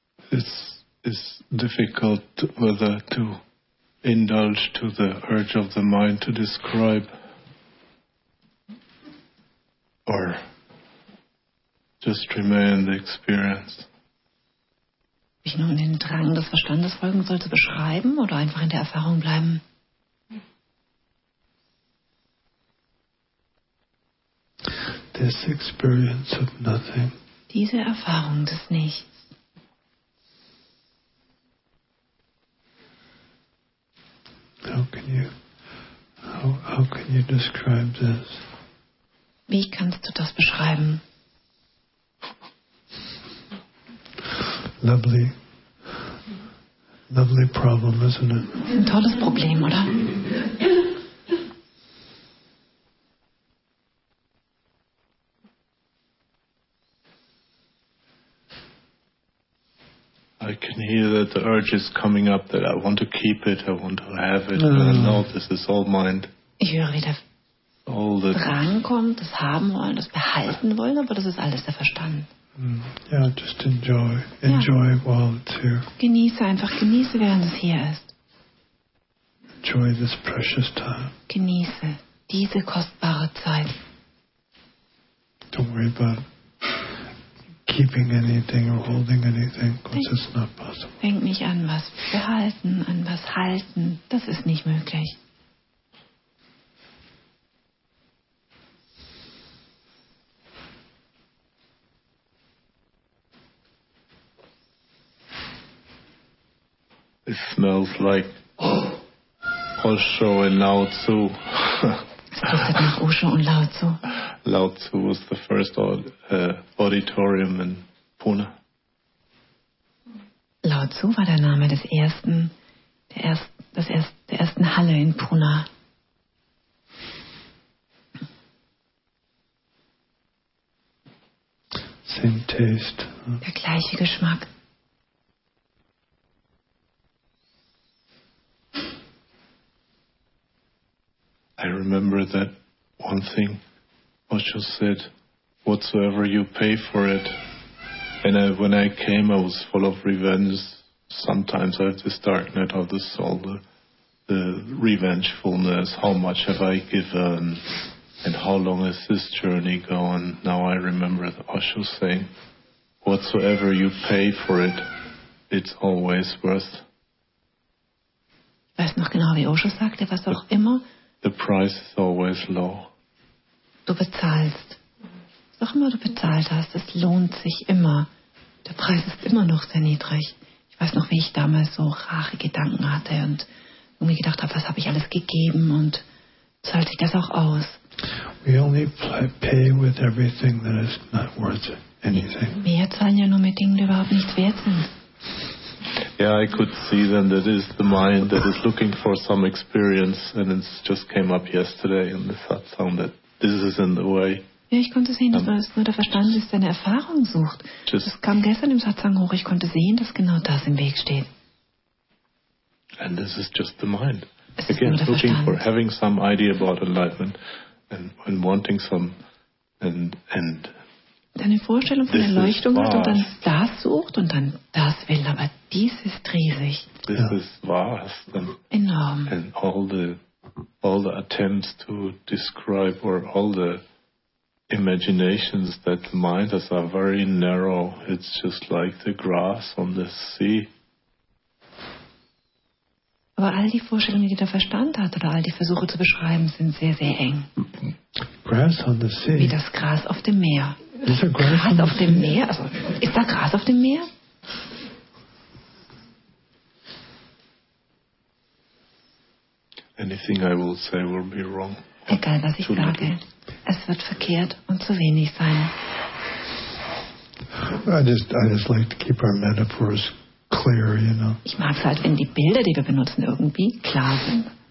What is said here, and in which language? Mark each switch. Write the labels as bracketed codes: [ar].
[en] it's difficult whether to indulge to the urge of the mind to describe or just remain the experience. [de] Ich nur in den Drang des Verstandes folgen soll zu beschreiben oder einfach in der Erfahrung bleiben. [en] This experience of nothing. [de] Diese Erfahrung des Nichts. [en] How can you describe this? [de] Wie kannst du das beschreiben? [en] Lovely. Lovely problem, isn't it? [de] Ein tolles Problem, oder? [en] I can hear that the urge is coming up that I want to keep it, I want to have it, but I know this is all mind. [de] Ich höre, wie der Drang kommt, das haben wollen, das behalten wollen, aber das ist alles der Verstand. [en] Yeah, just enjoy while it's here. [de] Genieße einfach, genieße, während es hier ist. [en] Enjoy this precious time. [de] Genieße diese kostbare Zeit. [en] Don't worry about keeping anything or holding anything, because it's not possible. [de] Denk nicht an was behalten, an was halten. Das ist nicht möglich. [en] It smells like Osho and Lao Tzu. It smells like Osho and Lao Tzu. Lao Tzu was the first auditorium in Pune. [de] Lao Tzu war der Name des ersten, der ersten Halle in Pune. [en] Same taste. [de] Der gleiche Geschmack. [en] I remember that one thing Osho said, whatsoever you pay for it. And when I came, I was full of revenge. Sometimes I have this darkness of the soul, the revengefulness, how much have I given, and how long is this journey gone. Now I remember Osho saying, whatsoever you pay for it, it's always worth. [de] Weiß noch genau, wie Osho sagte, was auch immer. [en] The price is always low. [de] Du bezahlst. Was auch immer du bezahlt hast, es lohnt sich immer. Der Preis ist immer noch sehr niedrig. Ich weiß noch, wie ich damals so rare Gedanken hatte und irgendwie gedacht habe, was habe ich alles gegeben und zahlt sich das auch aus? [en] We only pay with everything that is not worth anything. [de] Wir zahlen ja nur mit Dingen, die überhaupt nichts wert sind. [en] Yeah, I could see then that is the mind that is looking for some experience, and it just came up yesterday in the satsang that this is in the way. [de] Ja, ich konnte sehen, dass nur der Verstand ist, der eine Erfahrung sucht. Das kam gestern im Satsang hoch. Ich konnte sehen, dass genau das im Weg steht. [en] And this is just the mind. Again, looking for having some idea about enlightenment and wanting some and. [de] Deine Vorstellung von Erleuchtung hat und dann das sucht und dann das will, aber dies ist riesig. [en] This is vast. And [de] enorm. [en] And all the attempts to describe or all the imaginations that the mind has are very narrow. It's just like the grass on the sea. [de] Aber all die Vorstellungen, die der Verstand hat oder all die Versuche zu beschreiben, sind sehr, sehr eng. [en] Grass on the sea. [de] Wie das Gras auf dem Meer. [en] Is there grass [de] Gras auf dem Meer? Also, ist da Gras auf dem Meer? [en] Anything I will say will be wrong. [de] Egal, was ich sage, es wird verkehrt und zu wenig sein. [en] I just like to keep our metaphors clear, you know. [de] Ich mag es halt, wenn die Bilder, die wir benutzen, irgendwie klar sind.